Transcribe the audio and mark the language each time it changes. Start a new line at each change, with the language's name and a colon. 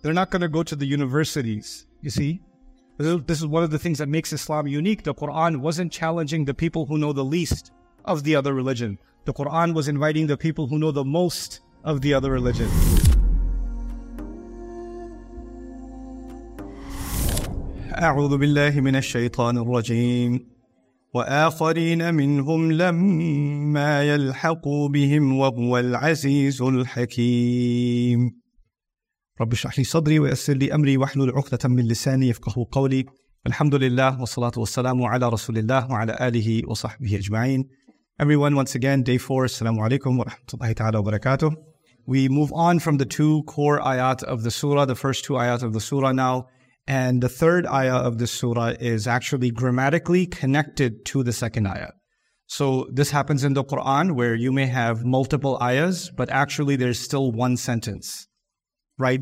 English: They're not going to go to the universities, you see? This is one of the things that makes Islam unique. The Quran wasn't challenging the people who know the least of the other religion. The Quran was inviting the people who know the most of the other religion.
Arabic: أعوذ بالله من الشيطان الرجيم وآخرين منهم لما يلحقوا بهم وهو العزيز الحكيم رب اشرح لي صدري ويسر لي أمري واحلل عقدة من لساني يفقهوا قولي الحمد لله والصلاة والسلام على رسول الله وعلى آله وصحبه أجمعين
English: Everyone, once again, day 4, assalamu alaikum wa rahmatullahi ta'ala wa barakatuh. We move on from the two core ayat of the surah, the first two ayat of the surah now. And the third ayah of this surah is actually grammatically connected to the second ayah. So this happens in the Quran where you may have multiple ayahs, but actually there's still one sentence, right?